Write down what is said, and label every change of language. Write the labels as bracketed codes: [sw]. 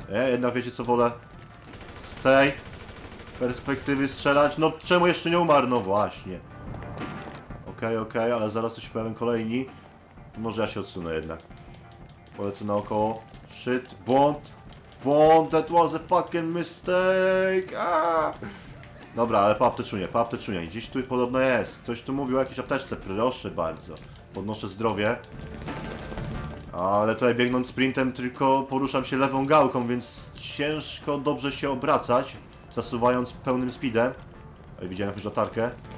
[pl] Jednak wiecie co wolę. Z tej perspektywy strzelać. No czemu jeszcze nie umarł? No właśnie. Okej, ale zaraz to się pojawią kolejni. Może ja się odsunę jednak. Polecę naokoło. Shit, błąd. Błąd, [en] that was a fucking mistake! [pl] Dobra, ale po apteczunie. Gdzieś tu podobno jest. Ktoś tu mówił o jakiejś apteczce, proszę bardzo. Podnoszę zdrowie. Ale tutaj biegnąc sprintem tylko poruszam się lewą gałką, więc ciężko dobrze się obracać, zasuwając pełnym speedem. Oj, widziałem jakąś latarkę.